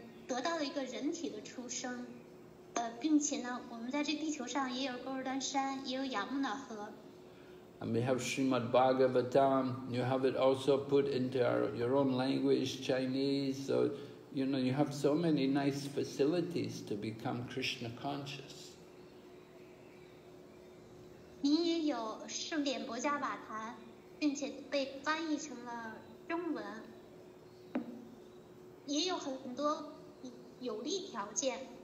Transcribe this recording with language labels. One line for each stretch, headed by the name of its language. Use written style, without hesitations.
Chinese: 您刚才提到说，他们在卡利年代还有很多不幸的情况，但是我们，您应该看到这个优势呢，就是，得到了一个人体的出生。并且呢，我们在这地球上也有高尔丹山，也有雅穆纳河。And
English: we have Srimad Bhagavatam. You have it also put into your own language, Chinese. So, you know, you have so many nice facilities to become Krishna conscious.
Chinese: 您也有圣典博伽瓦坛，并且被翻译成了中文，也有很多有利条件。